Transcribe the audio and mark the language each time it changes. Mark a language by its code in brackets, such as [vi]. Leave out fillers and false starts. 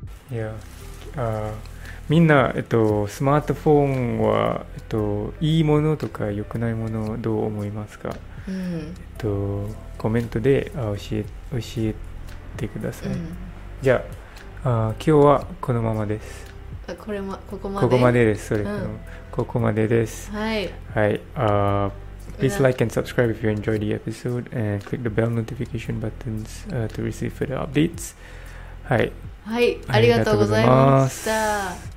[ja] うん、いや、みんな、スマートフォンは、いいものとか良くないものどう思いますか？うん、コメントで教えてください、うん、じゃ あ今日はこのままです。あ、これもここまでここまでです。それ、うん、ここまでです。はい、はい、 [en] Please like and subscribe if you enjoyed the episode and click the bell notification buttons、to receive further updates. [ja] はい。はい、ありがとうございました。